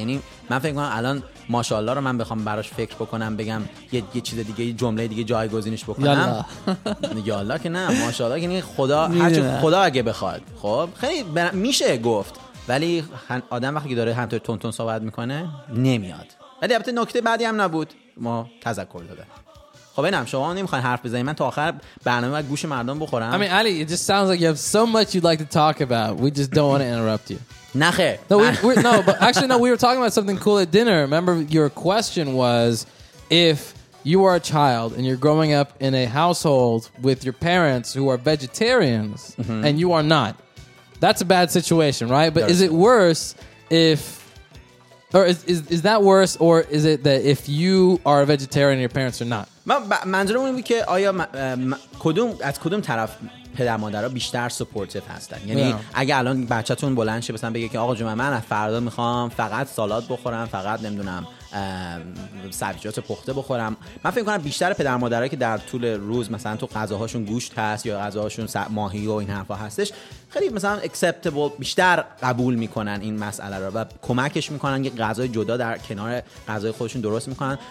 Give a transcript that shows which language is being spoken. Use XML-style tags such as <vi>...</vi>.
<fa>یعنی من فکر کنم الان ماشاءالله رو من بخوام براش فکر بکنم بگم یه چیز دیگه، یه جمله دیگه جایگزینش بکنم، یالا که نه، ماشاءالله که نه، خدا هرچی خدا اگه بخواد. خب خیلی میشه گفت، ولی آدم وقتی داره همطور تون تون صحبت میکنه نمیاد. ولی البته نکته بعدی هم نبود، ما تذکر دادیم. خب اینم شما نمیخواین حرف بزنید من تا آخر برنامه باید گوش مردم بخورم.</fa> <en>I mean Ali, it just sounds like you have so much you'd like to talk about. We just don't want to interrupt you.</en> <fa>نه خیر.</fa> <en>No, but we were talking about something cool at dinner. Remember your question was if you are a child and you're growing up in a household with your parents who are vegetarians and you are not. That's a bad situation, right? But is it worse if or is that worse or is it that if you are a vegetarian and your parents are not?</en> <fa>من منظورم اینه که آیا کدوم از کدوم طرف پدر مادرها بیشتر سپورتیف هستن، یعنی اگه الان بچه‌تون بلند شه مثلا بگه که آقا جون من فردا میخوام فقط سالاد بخورم، فقط نمیدونم سبزیجات پخته بخورم، من فکر کنم بیشتر پدر مادرایی که در طول روز مثلا تو غذاهاشون گوشت هست یا غذاهاشون ماهی و این حرفا هستش، خیلی مثلا اکسپتبل بیشتر قبول میکنن این مسئله رو و کمکش میکنن که غذای جدا در کنار غذای خودشون درست میکنن.</fa>